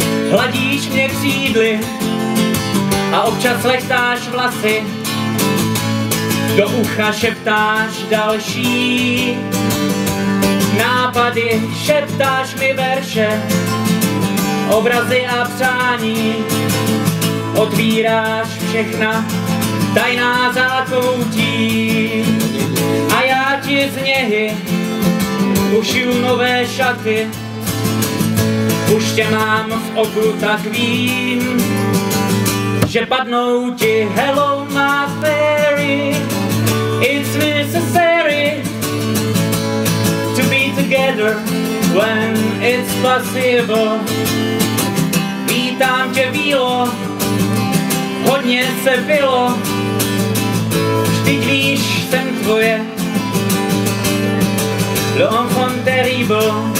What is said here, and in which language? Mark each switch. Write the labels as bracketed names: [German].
[Czech] Hladíš mě křídly a občas lechtáš vlasy, do ucha šeptáš další nápady, šeptáš mi verše, obrazy a přání, otvíráš všechna tajná zákoutí. A já ti z něhy ušiju nové šaty, už tě mám v oku, tak vím, že padnou ti. [English] Hello my fairy, it's necessary to be together when it's possible. [Czech] Vítám tě bílo, hodně se pilo, vždyť víš, jsem tvoje. [French] L'enfant terrible.